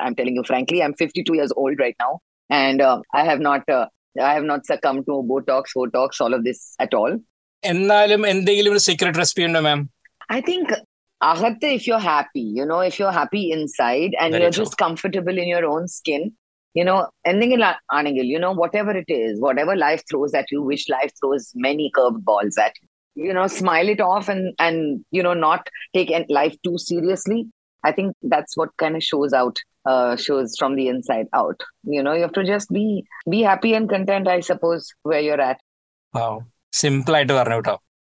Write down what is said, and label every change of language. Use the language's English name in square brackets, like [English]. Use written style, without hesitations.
[English] I'm telling you frankly, I'm 52 years old right now, and I have not succumbed to Botox, Botox, all of this at all. [Malayalam] എന്നാലും എന്തെങ്കിലും ഒരു secret recipe ഉണ്ടോ മാം? [English] I think ahate, if you're happy, you know, if you're happy inside and you're just comfortable in your own skin, you know, [Malayalam] എന്തെങ്കിലും ആണെങ്കിൽ, [English] you know, whatever it is, whatever life throws at you, which life throws many curved balls at you, you know, smile it off and you know, not take life too seriously. I think that's what kind of shows from the inside out. You know, you have to just be happy and content, I suppose, where you're at. [Malayalam] Wow, simple ആയിട്ട് പറഞ്ഞു കേട്ടോ.